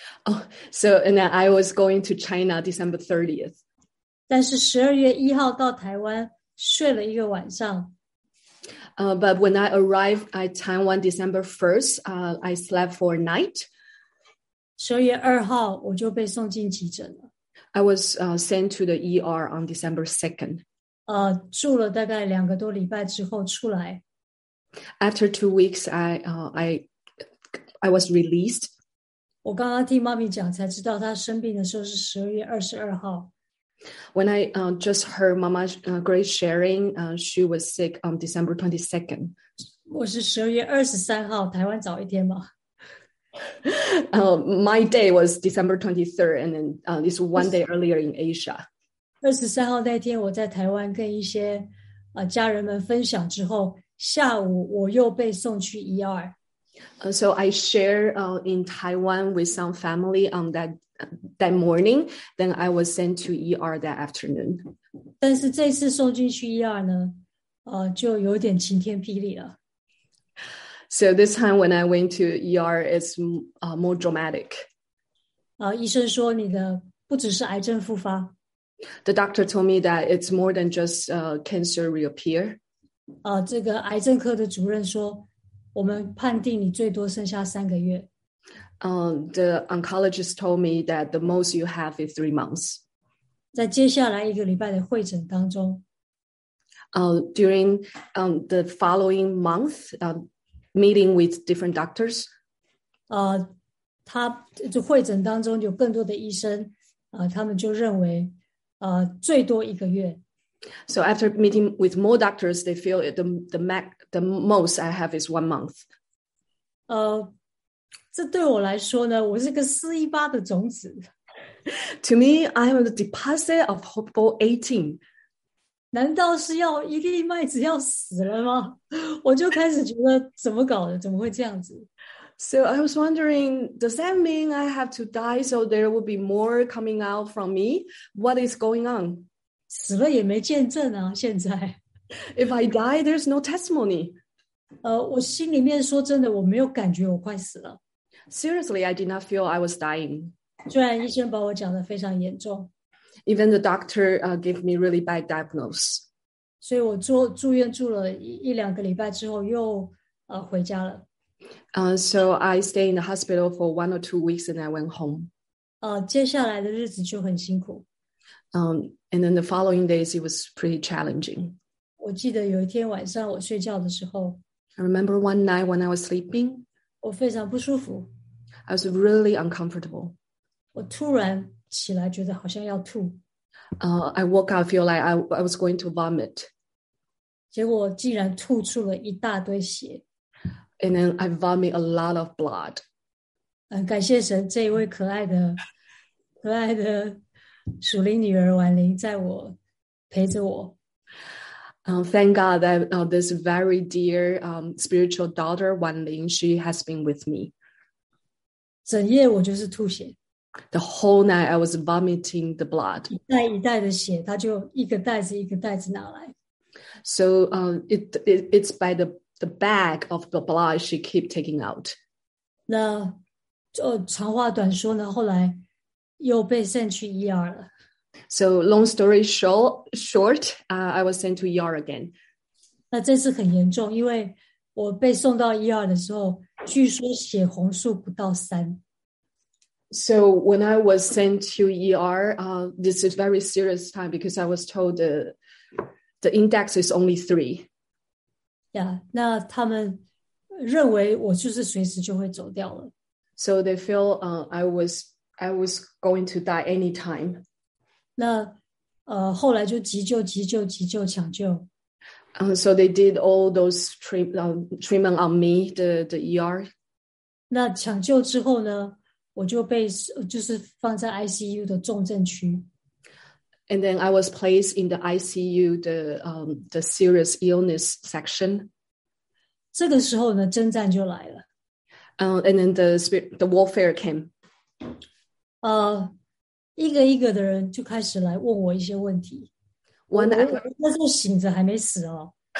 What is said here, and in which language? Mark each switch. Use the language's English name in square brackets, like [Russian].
[English] Oh, so and I was going to China December 30th. [Chinese] 但是12月1号到台湾睡了一个晚上。 [English] But when I arrived at Taiwan December 1st, I slept for a night. [Chinese] 12月2号我就被送进急诊了。 [English] I was sent to the ER on December 2nd. [Chinese] 住了大概两个多礼拜之后出来。 [English] After 2 weeks, I was released. [Chinese] 我刚刚听妈咪讲才知道她生病的时候是12月22号。 [English] When I just heard Mama Grace sharing, she was sick on December 22nd. [Chinese] 我是12月23号，台湾早一天吗？ [English] My day was December 23rd, and then it's one day earlier in Asia. [Chinese] 23号那天我在台湾跟一些家人们分享之后，下午我又被送去 ER。 [English] So I shared in Taiwan with some family on that morning. Then I was sent to ER that afternoon. [Chinese] 但是这次送进去 ER 呢，就有点晴天霹雳了。 [English] So this time when I went to ER, it's more dramatic. [Chinese] 医生说你的不只是癌症复发。 [English] The doctor told me that it's more than just cancer reappear. [Chinese] 这个癌症科的主任说，我们判定你最多剩下三个月。 [English] The oncologist told me that the most you have is 3 months. [Chinese] 在接下来一个礼拜的会诊当中。 [English] During the following month, meeting with different doctors. [Chinese] 他就会诊当中有更多的医生，他们就认为，最多一个月。 [English] So after meeting with more doctors, they feel the most I have is 1 month. [Chinese] 这对我来说呢，我是个418的种子。 [English] To me, I am the deposit of hopeful 18. [Chinese] 难道是要一粒麦子要死了吗？我就开始觉得怎么搞的，怎么会这样子？ [English] So I was wondering, does that mean I have to die so there will be more coming out from me? What is going on? [Chinese] 死了也没见证啊，现在。 [English] If I die, there's no testimony. [Chinese] 我心里面说真的，我没有感觉我快死了。 [English] Seriously, I did not feel I was dying. [Chinese] 虽然医生把我讲得非常严重。 [English] Even the doctor gave me really bad diagnose. [Chinese] 所以我住院住了一两个礼拜之后又回家了。 [English] So I stayed in the hospital for 1 or 2 weeks and I went home. [Chinese] 接下来的日子就很辛苦。 [English] And then the following days, it was pretty challenging. [Chinese] 我记得有一天晚上我睡觉的时候。 [English] I remember one night when I was sleeping. [Chinese] 我非常不舒服。 [English] I was really uncomfortable. [Chinese] 我突然起来觉得好像要吐。 [English] I woke up, feel like I was going to vomit. [Chinese] 结果竟然吐出了一大堆血。 [English] And then I vomit a lot of blood. [Chinese] 感谢神，这一位可爱的属灵女儿婉玲在我陪着我。 [English] Thank God that this very dear spiritual daughter, Wan Ling, she has been with me. [Chinese] 整夜我就是吐血。 [English] The whole night I was vomiting the blood. [Chinese] 一袋一袋的血，她就一个袋子一个袋子拿来。 [English] So it's by the bag of the blood she keep taking out. [Chinese] 那就长话短说呢，后来又被 sent 去 ER 了。 [English] So long story short, I was sent to ER again. [Chinese] 那这次很严重，因为我被送到 ER 的时候，据说血红素不到三。 [English] So when I was sent to ER, this is very serious time because I was told the index is only 3. [Chinese] Yeah, 那他们认为我就是随时就会走掉了。 [English] So they feel I was going to die anytime. [Chinese] 那后来就急救抢救。 [English] So they did all those treatment on me, the ER. [Chinese] 那抢救之后呢，我就被就是放在 ICU 的重症区。 [English] And then I was placed in the ICU, the serious illness section. [Chinese] 这个时候呢，征战就来了。 [English] And then the warfare came. [Chinese] 一个一个的人就开始来问我一些问题。 [English] One after, [Chinese] 我那时候醒着还没死哦。